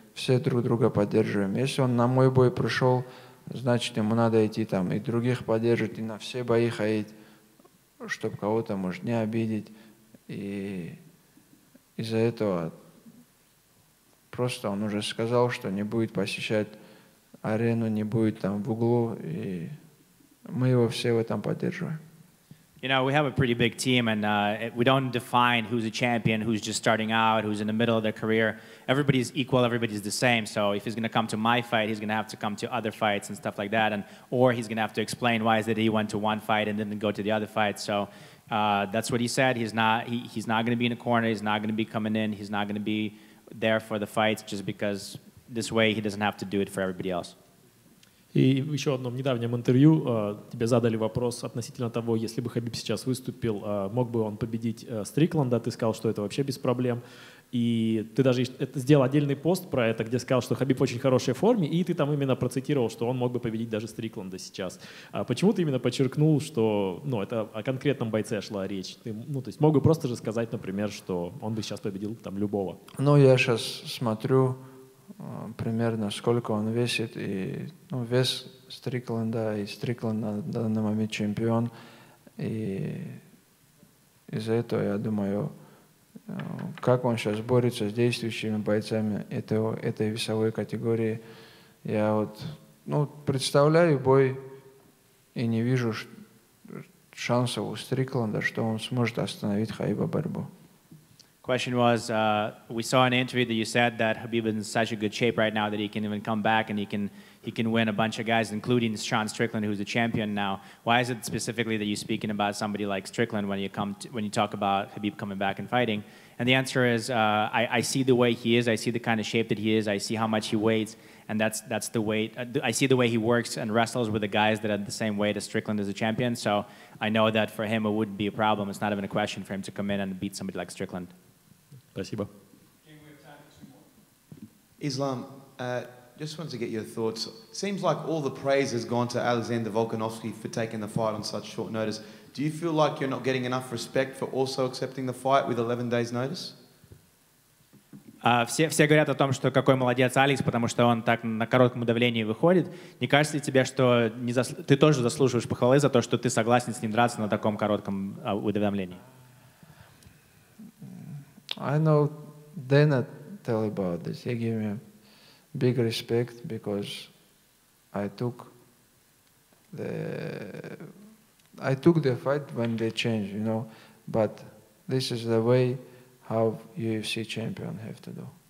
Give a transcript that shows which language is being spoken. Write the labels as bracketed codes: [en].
[ru] Все друг друга поддерживаем. Если он на мой бой пришел, значит, ему надо идти там и других поддерживать, и на все бои ходить, чтобы кого-то, может, не обидеть. И из-за этого просто он уже сказал, что не будет посещать арену, не будет там в углу, и мы его все в этом поддерживаем. [en] You know, we have a pretty big team, and we don't define who's a champion, who's just starting out, who's in the middle of their career. Everybody's equal, everybody's the same. So if he's going to come to my fight, he's going to have to come to other fights and stuff like that, and or he's going to have to explain why is it he went to one fight and didn't go to the other fight. So that's what he said. He's not going to be in a corner. He's not going to be coming in. He's not going to be there for the fights just because this way he doesn't have to do it for everybody else. [ru] И в еще одном недавнем интервью тебе задали вопрос относительно того, если бы Хабиб сейчас выступил, мог бы он победить Стрикланда. Ты сказал, что это вообще без проблем. И ты даже сделал отдельный пост про это, где сказал, что Хабиб в очень хорошей форме, и ты там именно процитировал, что он мог бы победить даже Стрикланда сейчас. Почему ты именно подчеркнул, что ну, это о конкретном бойце шла речь? Ты, ну, то есть мог бы просто же сказать, например, что он бы сейчас победил там любого. Ну, я сейчас смотрю примерно сколько он весит, и ну, вес Стрикланда, и Стрикланд на данный момент чемпион, и из-за этого я думаю, как он сейчас борется с действующими бойцами этой весовой категории. Я вот ну, представляю бой и не вижу шансов у Стрикланда, что он сможет остановить Хабиба борьбу. [en] Question was, we saw in an interview that you said that Habib is in such a good shape right now that he can even come back and he can win a bunch of guys, including Sean Strickland, who's a champion now. Why is it specifically that you're speaking about somebody like Strickland when you talk about Habib coming back and fighting? And the answer is, I see the way he is. I see the kind of shape that he is. I see how much he weighs. And that's the way, I see the way he works and wrestles with the guys that are the same weight as Strickland as a champion. So I know that for him, it wouldn't be a problem. It's not even a question for him to come in and beat somebody like Strickland. [ru] Спасибо. [en] Islam, just wanted to get your thoughts. Seems like all the praise has gone to Alexander Volkanovski for taking the fight on such short notice. Do you feel like you're not getting enough respect for also accepting the fight with 11 days notice? [ru] Все говорят о том, что какой молодец Алекс, потому что он так на коротком давлении выходит. Не кажется ли тебе, что ты тоже заслуживаешь похвалы за то, что ты согласен с ним драться на таком коротком уведомлении? [en] I know Dana tell about this. He gave me big respect because I took the fight when they changed, you know. But this is the way how UFC champion have to do.